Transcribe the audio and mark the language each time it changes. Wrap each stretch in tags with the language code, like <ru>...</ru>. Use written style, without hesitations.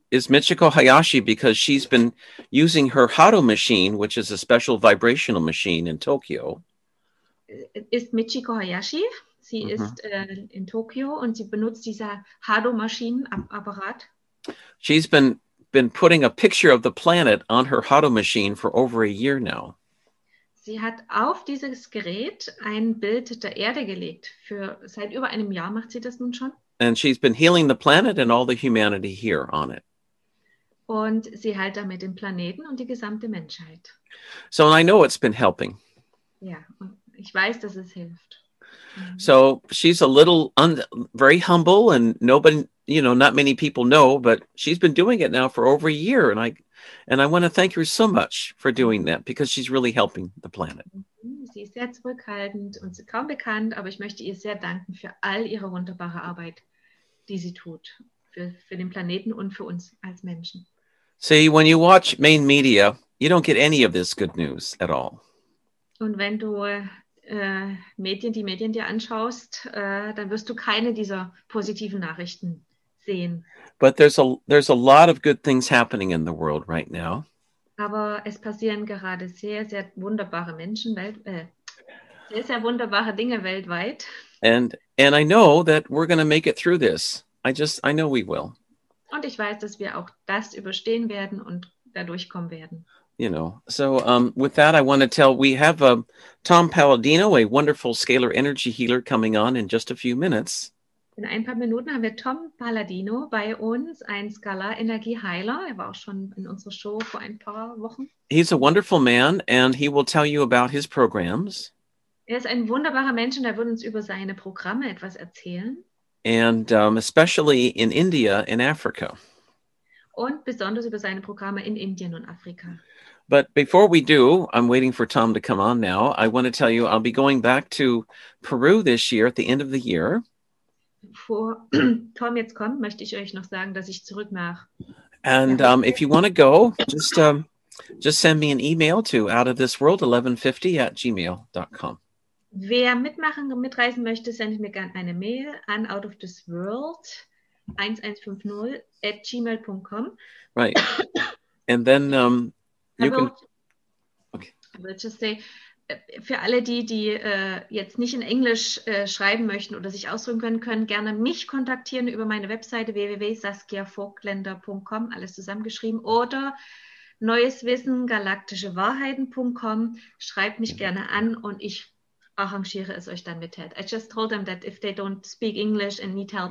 <en>Michiko Hayashi, because she's been using her Hado machine, which is a special vibrational machine in Tokyo.</en> <de>Ist Michiko Hayashi. Sie mm-hmm. ist in Tokio und sie benutzt dieser Hado-Maschinenapparat.</de> <en>She's been putting a picture of the planet on her Hado machine for over a year now.</en> <de>Sie hat auf dieses Gerät ein Bild der Erde gelegt. Seit über einem Jahr macht sie das nun schon.</de> <en>And she's been healing the planet and all the humanity here on it.</en> <de>Und sie heilt damit den Planeten und die gesamte Menschheit.</de> <en>So, and I know it's been helping.</en> <de>Ja, und ich weiß, dass es hilft.</de> <en>So she's a little very humble, and nobody, you know, not many people know, but she's been doing it now for over a year, and I want to thank her so much for doing that, because she's really helping the planet.</en> <de>Sie ist sehr zurückhaltend und kaum bekannt, aber ich möchte ihr sehr danken für all ihre wunderbare Arbeit, die sie tut für den Planeten und für uns als Menschen.</de> <en>See, when you watch main media, you don't get any of this good news at all.</en> <de>Und wenn du Medien dir anschaust, dann wirst du keine dieser positiven Nachrichten sehen.</de> <en>But there's a lot of good things happening in the world right now.</en> <de>Aber es passieren gerade sehr, sehr wunderbare Menschen sehr, sehr wunderbare Dinge weltweit.</de> <en>And I know that we're going to make it through this. I know we will.</en> <de>Und ich weiß, dass wir auch das überstehen werden und dadurch kommen werden.</de> <en>You know, so with that, I want to tell, we have Tom Palladino, a wonderful scalar energy healer, coming on in just a few minutes.</en> <de>In ein paar Minuten haben wir Tom Palladino bei uns, ein Scalar Energieheiler. Er war auch schon in unserer Show vor ein paar Wochen.</de> <en>He's a wonderful man, and he will tell you about his programs.</en> <de>Er ist ein wunderbarer Mensch, und er wird uns über seine Programme etwas erzählen.</de> <en>And especially in India, in Africa.</en> <de>Und besonders über seine Programme in Indien und Afrika.</de> <en>But before we do, I'm waiting for Tom to come on now. I want to tell you, I'll be going back to Peru this year at the end of the year.</en> <de>Bevor Tom jetzt kommt, möchte ich euch noch sagen, dass ich zurück nach.</de> <en>And if you want to go, just send me an email to outofthisworld1150@gmail.com.</en> <de>Wer mitreisen möchte, sendet mir gerne eine Mail an outofthisworld1150@gmail.com.</de> <en>Right. And then you can.</en> <de>Okay.</de> <en>I will just say,</en> <de>für alle die jetzt nicht in Englisch schreiben möchten oder sich ausdrücken können gerne mich kontaktieren über meine Webseite www.saskiavogtländer.com, alles zusammengeschrieben, oder neueswissengalaktischewahrheiten.com. Schreibt mich gerne an und ich arrangiere es euch dann mit Ted.</de> <en>I just told them that if they don't speak English and need help,</en>